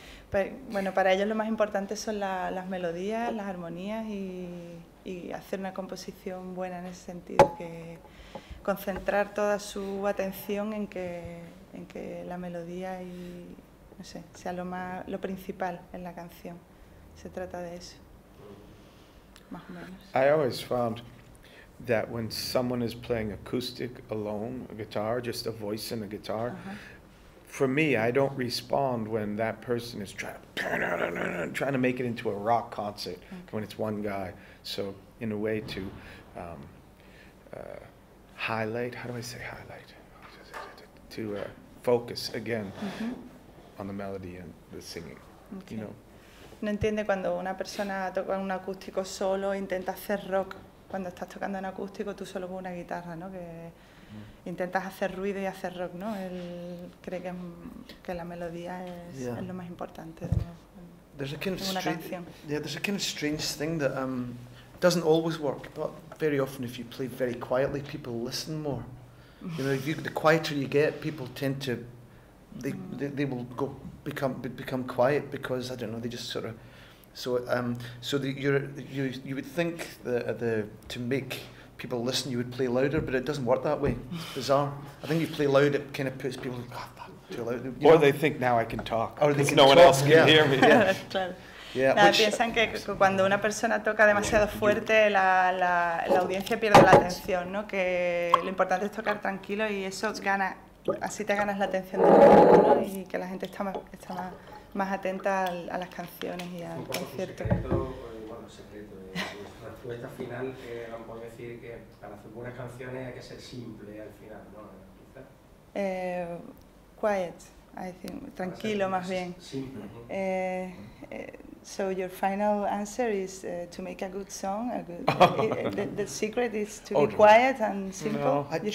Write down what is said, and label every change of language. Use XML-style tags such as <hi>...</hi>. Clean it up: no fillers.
<es>Pero, bueno, para ellos lo más importante son las melodías, las armonías y hacer una composición buena en ese sentido, que concentrar toda su atención en que la melodía y no sé, sea lo principal en la canción. Se trata de eso, más o menos.</es> <en>I always found that when someone is playing acoustic alone, a guitar, just a voice and a guitar, for me, I don't respond when that person is trying to make it into a rock concert when it's one guy. So in a way to highlight, how do I say highlight? To focus again on the melody and the singing, you know.</en> <es>No entiende cuando una persona toca un acústico solo intenta hacer rock cuando estás tocando en acústico tú solo con una guitarra, ¿no? Que intentas hacer ruido y hacer rock, ¿no? Él cree que la melodía es lo más importante de una canción.</es> <en>Yeah, there's a kind of strange thing that doesn't always work, but very often if you play very quietly, people listen more. You know, the quieter you get, people tend to they will go become quiet because I don't know, they just sort of so you would think that to make people listen you would play louder, but it doesn't work that way. It's bizarre. I think you play loud, it kind of puts people like, oh, fuck, too loud. Or they think now I can talk. Or they can no talk. One else can hear me. Yeah. Yeah, which,</en> <es>piensan que cuando una persona toca demasiado fuerte la audiencia pierde la atención, ¿no? Que lo importante es tocar tranquilo y eso gana, así te ganas la atención del público, ¿no? Y que la gente está más atenta a las canciones y al concierto. Secreto, bueno, secreto de la respuesta final, vamos a decir que para hacer buenas canciones hay que ser simple al final, ¿no?</es> <en>Quiet, I think,</en> <es>tranquilo más bien.</es> <en>Simple. So your final answer is to make a good song. A good, the secret is to be quiet and simple.</en>